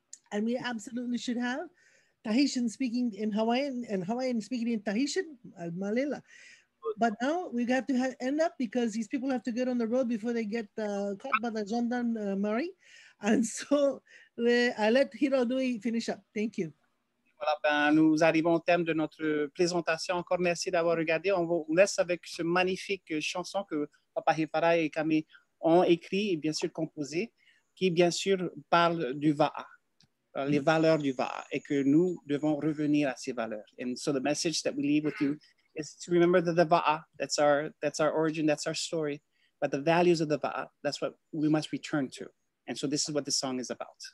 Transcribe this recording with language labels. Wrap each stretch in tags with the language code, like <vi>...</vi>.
<en>And we absolutely should have Tahitian speaking in Hawaiian, and Hawaiian speaking in Tahitian, Malila. But now we have to end up because these people have to get on the road before they get caught by the gendarmerie. And so I let Hironui finish up. Thank you.</en> <fr>Voilà, ben, nous arrivons au terme de notre présentation. Encore merci d'avoir regardé. On vous laisse avec ce magnifique chanson que Papa Heifara et Kami ont écrit et bien sûr composé, qui bien sûr parle du Va'a, les valeurs du Va'a, et que nous devons revenir à ces valeurs.</fr> <en>And so the message that we leave with you is to remember the Va'a, that's our origin, that's our story, but the values of the Va'a, that's what we must return to. And so this is what the song is about.</en>